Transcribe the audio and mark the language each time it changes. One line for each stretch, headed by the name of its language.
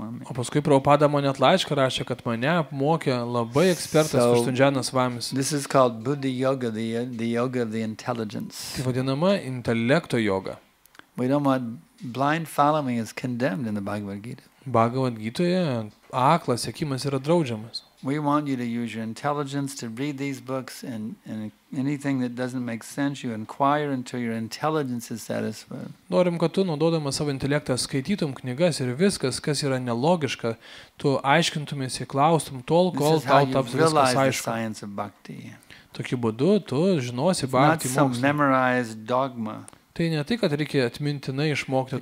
Lithuanian: O paskui Prabhupada mane atlaiškė, rašė, kad mane mokė labai ekspertas Vishnujanas Swamis.
English: This is called Buddha yoga, the yoga of the intelligence.
Lithuanian: Tai vadinama intelekto yoga.
English: We don't want blind following is condemned in the Bhagavad Gita.
Lithuanian: Bhagavad Gita'je aklas sekimas yra draudžiamas.
English: We want you to use your intelligence to read these books and anything that doesn't make sense you inquire until your intelligence is satisfied.
Lithuanian: Norim, kad tu naudodamas savo intelektą skaitytum knygas ir viskas, kas yra nelogiška, tu aiškintumės ir klaustum tol, kol tau taps viskas aišku. Tokiu būdu tu žinosi bhakti mokslą. Tai ne tai, kad reikia atmintinai išmokti